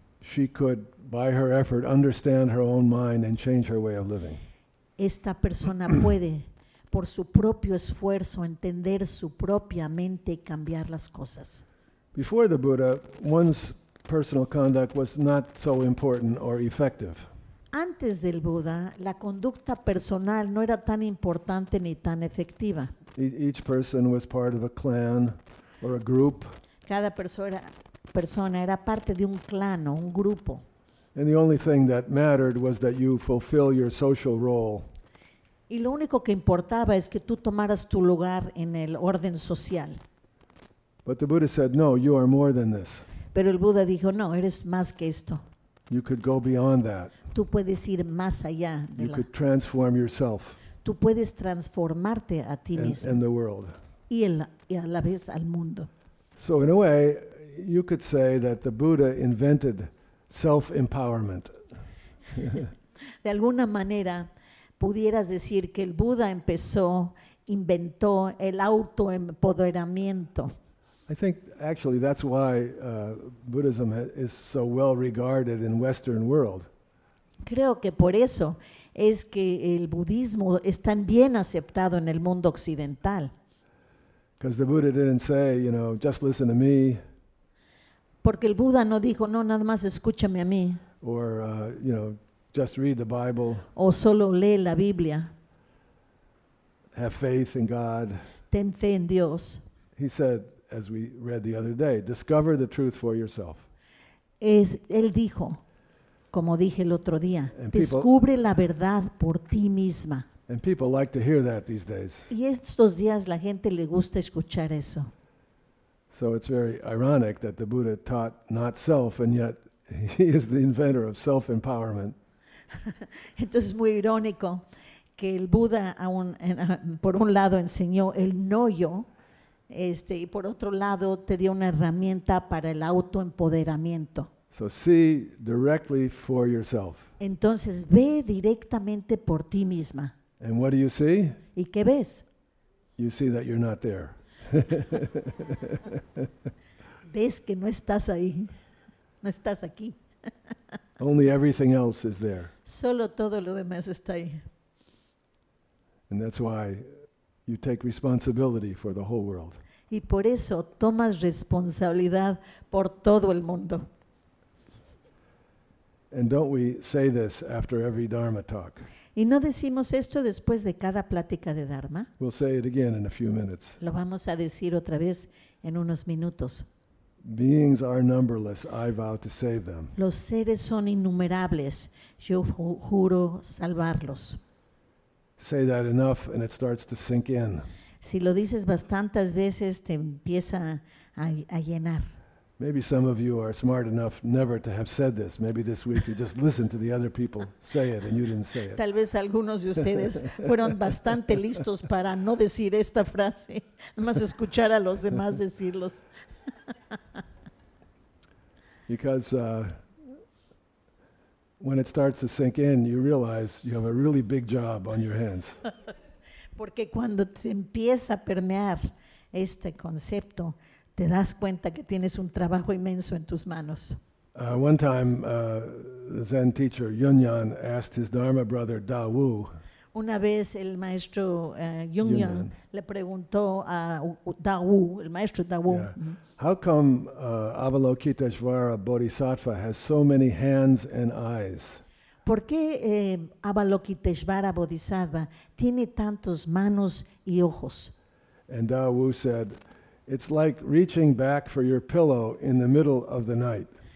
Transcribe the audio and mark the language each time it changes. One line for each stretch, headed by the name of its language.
English: She could, by her effort, understand her own mind and change her way of living.
Spanish: Esta persona puede, por su propio esfuerzo, entender su propia mente y cambiar las cosas.
English: Before the Buddha, one's personal conduct was not so important or effective.
Spanish: Antes del Buda, la conducta personal no era tan importante ni tan efectiva.
English: Each person was part of a clan or a group.
Spanish: Cada persona era parte de un clan o un grupo.
English: And the only thing that mattered was that you fulfill your social role.
Spanish: Y lo único que importaba es que tú tomaras tu lugar en el orden social.
English: But the Buddha said, no, you are more than this.
Spanish: Pero el Buda dijo, no, eres más que esto.
English: You could go beyond that.
Spanish: Tú puedes ir más allá.
English: You could transform yourself.
Spanish: Tú puedes transformarte a ti mismo.
English: And the world.
Spanish: Y a la vez al mundo.
English: So in a way, you could say that the Buddha invented self-empowerment.
Spanish: De alguna manera, pudieras decir que el Buda inventó el autoempoderamiento.
English: I think actually that's why Buddhism is so well regarded in Western world.
Spanish: Creo que por eso es que el budismo es tan bien aceptado en el mundo occidental.
English: Because the Buddha didn't say, you know, just listen to me.
Spanish: Porque el Buda no dijo, no, nada más escúchame a mí.
English: Or, just read the Bible.
Spanish: O solo lee la Biblia.
English: Have faith in God.
Spanish: Ten fe en Dios.
English: He said, as we read the other day, discover the truth for yourself.
Spanish: Él dijo, como dije el otro día, descubre la verdad por ti misma.
English: And people like to hear that these days.
Spanish: Y estos días la gente le gusta escuchar eso.
English: So it's very ironic that the Buddha taught not self, and yet he is the inventor of self-empowerment.
Spanish: Entonces es muy irónico que el Buda, por un lado, enseñó el no yo, y por otro lado, te dio una herramienta para el autoempoderamiento.
English: So see directly for yourself.
Spanish: Entonces ve directamente por ti misma.
English: And what do you see?
Spanish: ¿Y qué ves?
English: You see that you're not there.
Spanish: Ves que no estás ahí. No estás aquí.
English: Only everything else is there.
Spanish: Solo todo lo demás está ahí.
English: And that's why you take responsibility for the whole world.
Spanish: Y por eso tomas responsabilidad por todo el mundo.
English: And don't we say this after every Dharma talk?
Spanish: ¿Y no decimos esto después de cada plática de Dharma?
English: We'll say it again in a few minutes.
Spanish: Lo vamos a decir otra vez en unos minutos.
English: Beings are numberless. I vow to save them.
Spanish: Los seres son innumerables. Yo juro salvarlos.
English: Say that enough and it starts to sink in.
Spanish: Si lo dices bastantes veces, te empieza a llenar.
English: Maybe some of you are smart enough never to have said this. Maybe this week you just listened to the other people say it and you didn't say it.
Spanish: Tal vez algunos de ustedes fueron bastante listos para no decir esta frase, más escuchar a los demás decirlos.
English: Because when it starts to sink in, you realize you have a really big job on your hands.
Spanish: Porque cuando te empieza a permear este concepto, te das cuenta que tienes un trabajo inmenso en tus manos.
English: One time, the Zen teacher Yunyan asked his Dharma brother Da Wu.
Spanish: Una vez el maestro Yunyan le preguntó a Da Wu, el maestro Da Wu.
English: Yeah. How come Avalokiteshvara Bodhisattva has so many hands and eyes?
Spanish: ¿Por qué Avalokiteshvara Bodhisattva tiene tantos manos y ojos?
English: And Da Wu said, it's like reaching back for your pillow in the middle of the night.